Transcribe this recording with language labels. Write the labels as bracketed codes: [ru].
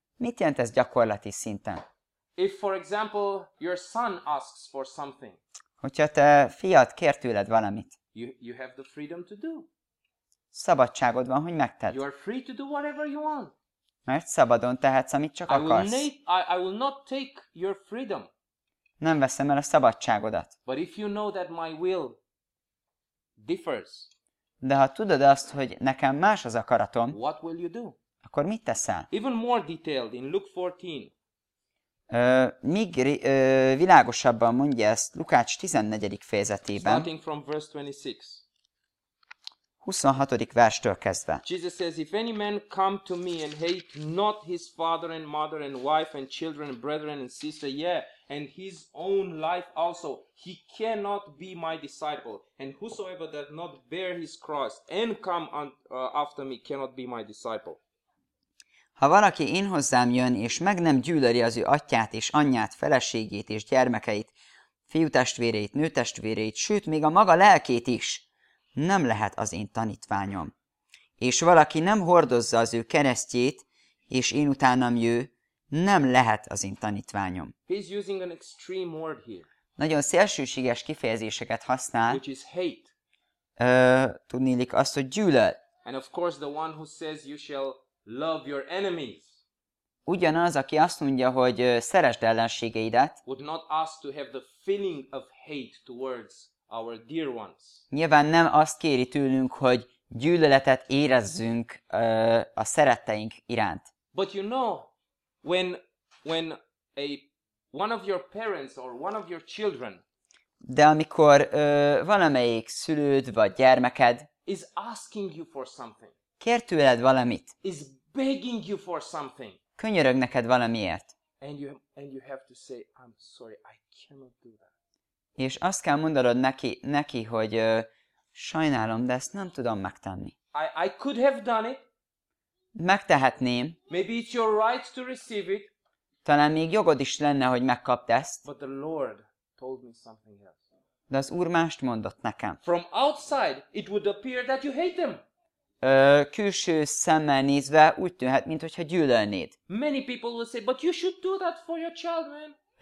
[hu] Mit jelent ez gyakorlati szinten? [en] If, for example, your son asks for something. [hu] Hogyha te fiat kér tőled valamit. [en] You have the freedom to do. [hu] Szabadságod van, hogy megtedd. [en] You are free to do whatever you want. [hu] Mert szabadon tehetsz, amit csak akarsz. [en] I will not take your freedom. [hu] Nem veszem el a szabadságodat. [en] But if you know that my will differs. [hu] De ha tudod azt, hogy nekem más az akaratom, [en] what will you do? [hu] Akkor mit teszel? [en] Even more detailed in Luke 14. [hu] Világosabban mondja ezt Lukács 14. fejezetében. [en] Starting from verse 26. [hu] 26. verstől kezdve. [en] Jesus says, if any man come to me and hate not his father and mother and wife and children and brethren and sister, yeah, and his own life also, he cannot be my disciple. And whosoever does not bear his cross and come on, after me cannot be my disciple. [hu] Ha valaki én hozzám jön, és meg nem gyűlöli az ő atyát és anyját, feleségét és gyermekeit, fiútestvéreit, nőtestvéreit, sőt, még a maga lelkét is, nem lehet az én tanítványom. És valaki nem hordozza az ő keresztjét, és én utánam jő, nem lehet az én tanítványom. [en] He's using an extreme word here. [hu] Nagyon szélsőséges kifejezéseket használ, [en] which is hate. [hu] Tudnélik azt, hogy gyűlöl. [en] And of course the one who says you shall love your enemies. [hu] Ugyanaz, aki azt mondja, hogy szeresd ellenségeidet, [en] would not ask to have the feeling of hate towards our dear ones. [hu] Nyilván nem azt kéri tőlünk, hogy gyűlöletet érezzünk a szeretteink iránt. [en] But you know, when a one of your parents or one of your children, [hu] de amikor valamelyik szülőd vagy gyermeked [en] is asking you for something, [hu] kér tőled valamit, [en] is begging you for something, [hu] könyörög neked valamiért, [en] and you have to say, I'm sorry, I cannot do that. [hu] És azt kell mondanod neki, hogy sajnálom, de ezt nem tudom megtenni. [en] I could have done it. [hu] Megtehetném. [en] Maybe it's your right to receive it. [hu] Talán még jogod is lenne, hogy megkapd ezt. [en] But the Lord told me something else. [hu] De az Úr mást mondott nekem. [en] From outside, it would appear that you hate them. [hu] Külső szemmel nézve úgy tűnhet, mintha gyűlölnéd. [en] Many people will say, but you should do that for your child, man.